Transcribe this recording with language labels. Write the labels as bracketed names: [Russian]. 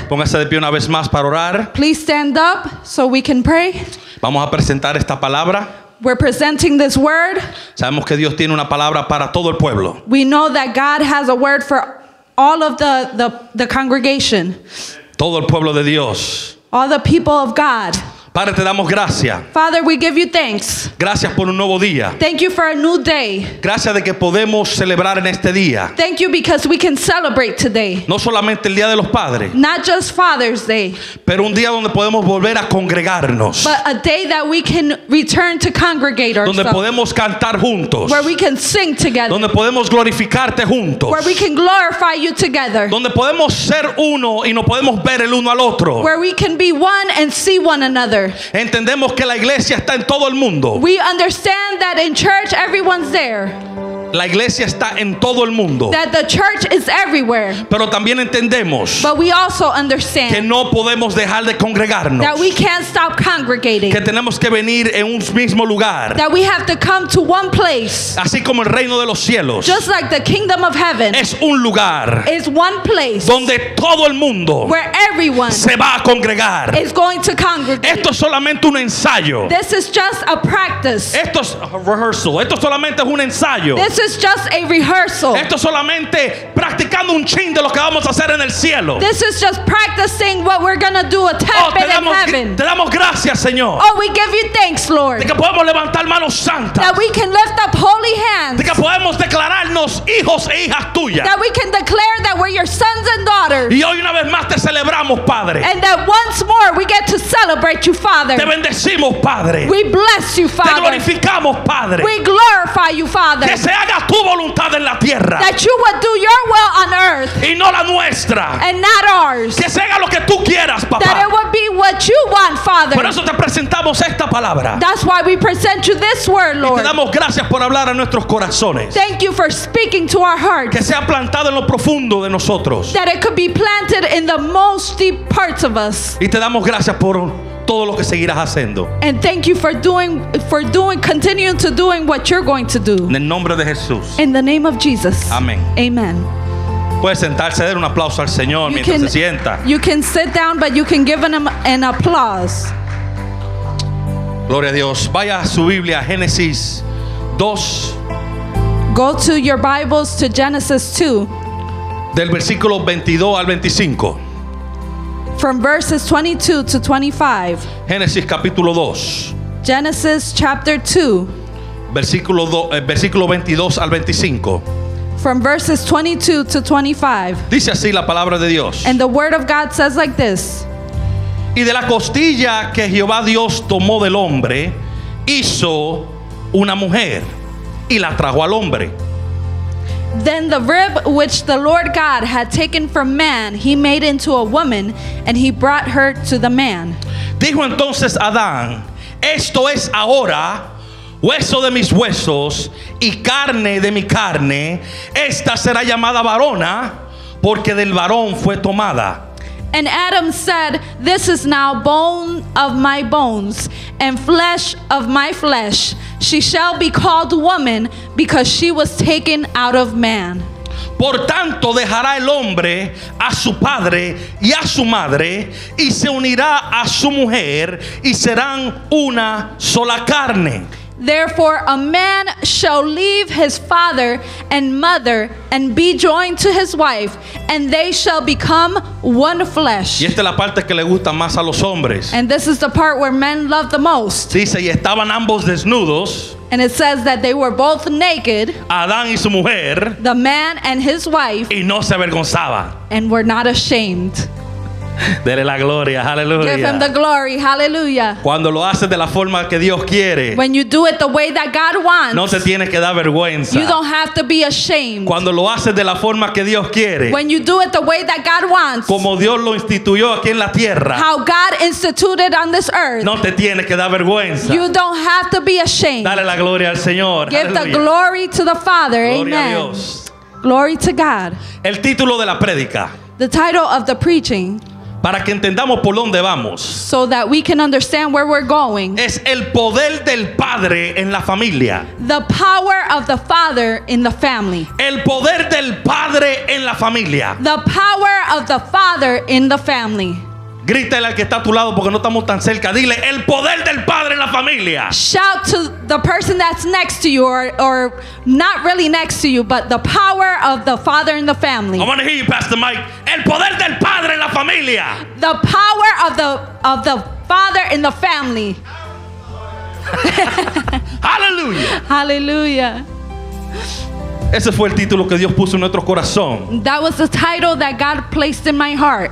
[Spanish] Póngase de pie una vez más para orar. [English] Please stand up so we can pray. [Spanish] Vamos a presentar esta palabra. [English] We're presenting this word. [Spanish] Sabemos que Dios tiene una palabra para todo el pueblo. [English] We know that God has a word for all of the congregation. [Spanish] Todo el pueblo de Dios. [English] All the people of God. [Spanish] Padre, te damos gracias. [English] Father, we give you thanks. [Spanish] Gracias por un nuevo día. [English] Thank you for a new day. [Spanish] Gracias de que podemos celebrar en este día. [English] Thank you because we can celebrate today. [Spanish] No solamente el día de los padres. [English] Not just Father's Day. [Spanish] Pero un día donde podemos volver a congregarnos. [English] But a day that we can return to congregate ourselves. [Spanish] Donde podemos cantar juntos. [English] Where we can sing together. [Spanish] Donde podemos glorificarte juntos. [English] Where we can glorify you together. [Spanish] Donde podemos ser uno y nos podemos ver el uno al otro. [English] Where we can be one and see one another. [Spanish] Entendemos que la iglesia está en todo el mundo. [English] We understand that in church everyone's there. [Spanish] La iglesia está en todo el mundo. [English] That the church is everywhere. [Spanish] Pero también entendemos. [English] But we also understand. [Spanish] Que no podemos dejar de congregarnos. [English] That we can't stop congregating. [Spanish] Que tenemos que venir en un mismo lugar. [English] That we have to come to one place. [Spanish] Así como el reino de los cielos. [English] Just like the kingdom of heaven. [Spanish] Es un lugar. [English] Is one place. [Spanish] Donde todo el mundo. [English] Where everyone. [Spanish] Se va a congregar. [English] Is going to congregate. [Spanish] Esto es solamente un ensayo. [English] This is just a practice. [Spanish] Esto es rehearsal. Esto solamente es un ensayo. [English] This is just a rehearsal. [Spanish] Esto solamente practicando un chin de lo que vamos a hacer en el cielo. [English] This is just practicing what we're going to do a tap in heaven. [Spanish] Te damos gracias, Señor. [English] Oh, we give you thanks, Lord. [Spanish] De que podemos levantar manos santas. [English] That we can lift up holy hands. [Spanish] De que podemos declararnos hijos e hijas tuyas. [English] That we can declare that we're your sons and daughters. [Spanish] Y hoy una vez más te celebramos, Padre. [English] And that once more we get to celebrate you, Father. [Spanish] Te bendecimos, Padre. [English] We bless you, Father. [Spanish] Te glorificamos, Padre. [English] We glorify you, Father. [Spanish] Haga tu voluntad en la tierra. [English] That you would do your will on earth. [Spanish] Y no la nuestra. [English] And not ours. [Spanish] Que se haga lo que tú quieras, papá. [English] That it would be what you want, Father. [Spanish] Por eso te presentamos esta palabra. [English] That's why we present you this word, Lord. [Spanish] Y te damos gracias por hablar a nuestros corazones. [English] Thank you for speaking to our hearts. [Spanish] Que sea plantado en lo profundo de nosotros. [English] That it could be planted in the most deep parts of us. [Spanish] Y te damos gracias por todo lo que seguirás haciendo. [English] And thank you continuing to doing what you're going to do. [Spanish] En el nombre de Jesús. [English] In the name of Jesus. [Spanish] Amén. [English] Amen. [Spanish] Puedes sentarse, dar un aplauso al Señor mientras se sienta. [English] You can sit down, but you can give him an applause. [Spanish] Gloria a Dios. Vaya a su Biblia, Génesis 2. [English] Go to your Bibles to Genesis 2. [Spanish] Del versículo 22 al 25. [English] From verses 22 to 25. [Spanish] Génesis capítulo 2. [English] Genesis chapter 2. [Spanish] Versículo 22 al 25. [English] From verses 22 to 25. [Spanish] Dice así la palabra de Dios. [English] And the word of God says like this. [Spanish] Y de la costilla que Jehová Dios tomó del hombre, hizo una mujer y la trajo al hombre. [English] Then the rib which the Lord God had taken from man, he made into a woman, and he brought her to the man. [Spanish] Dijo entonces Adán, esto es ahora hueso de mis huesos y carne de mi carne. Esta será llamada varona, porque del varón fue tomada. [English] And Adam said, this is now bone of my bones and flesh of my flesh. She shall be called woman because she was taken out of man. [Spanish] Por tanto, dejará el hombre a su padre y a su madre y se unirá a su mujer y serán una sola carne. [English] Therefore, a man shall leave his father and mother and be joined to his wife, and they shall become one flesh. [Spanish] Y esta es la parte que le gusta más a los hombres. [English] And this is the part where men love the most. [Spanish] Dice, y estaban ambos desnudos. [English] And it says that they were both naked. [Spanish] Adán y su mujer. [English] The man and his wife. [Spanish] Y no se avergonzaba. [English] And were not ashamed. [Spanish] Dele la gloria, aleluya. [English] Give him the glory, hallelujah. [Spanish] Cuando lo haces de la forma que Dios quiere. [English] When you do it the way that God wants. [Spanish] No te tienes que dar vergüenza. [English] You don't have to be ashamed. [Spanish] Cuando lo haces de la forma que Dios quiere. [English] When you do it the way that God wants. [Spanish] Como Dios lo instituyó aquí en la tierra. [English] How God instituted on this earth. [Spanish] No te tienes que dar vergüenza. [English] You don't have to be ashamed. [Spanish] Dale la gloria al Señor. [English] Give [Spanish] aleluya. [English] The glory to the Father, [Spanish] gloria [English] amen. [Spanish] Gloria a Dios. [English] Glory to God. [Spanish] El título de la prédica. [English] The title of the preaching. [Spanish] Para que entendamos por dónde vamos. [English] So that we can understand where we're going. [Spanish] Es el poder del padre en la familia. [English] The power of the father in the family. [Spanish] El poder del padre en la familia. [English] The power of the father in the family. [Spanish] Grítale al que está a tu lado porque no estamos tan cerca. Dile, el poder del padre en la familia. [English] Shout to the person that's next to you or not really next to you, but the power of the father in the family. I want to hear you, [Spanish] Pastor Mike. El poder del padre en la familia. [English] The power of the father in the family. Hallelujah. Hallelujah. [Spanish] Ese fue el título que Dios puso en nuestro corazón. [English] That was the title that God placed in my heart.